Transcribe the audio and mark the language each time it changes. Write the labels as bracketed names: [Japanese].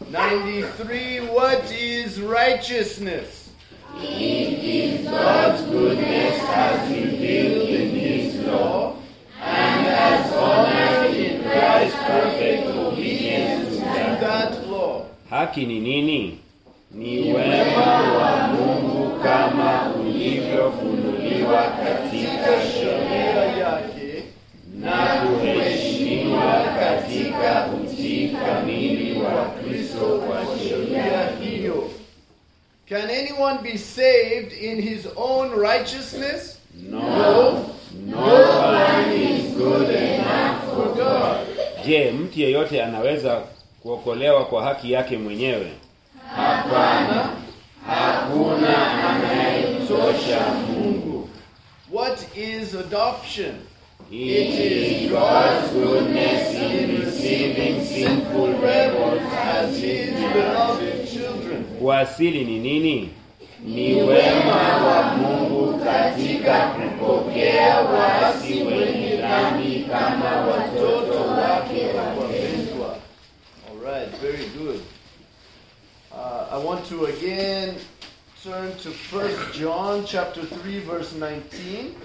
[English] 93, what is righteousness? It is God's goodness as revealed in His law and as honored in Christ's perfect obedience to that law. [Swahili] Haki ni nini? Ni wema wa Mungu kama ulivyofunuliwa katika sheria yake na kuheshimiwa katika utii kamili wa Kristo kwa sheria hiyo. [English] Can anyone be saved in his own righteousness? No. No man is good enough for God. [Swahili] Je, mtu yeyote anaweza kuokolewa kwa haki yake mwenyewe? Hapana. Hakuna anayetosha Mungu. [English] What is adoption? It is God's goodness in receiving sinful rebels as His beloved children. [Swahili] Kuasili ni nini? Ni wema wa Mungu katika kupokea waasi wenye dhambi kama watoto wake wapendwa. [English] All right, very good. I want to again turn to 1 John chapter 3 verse 19.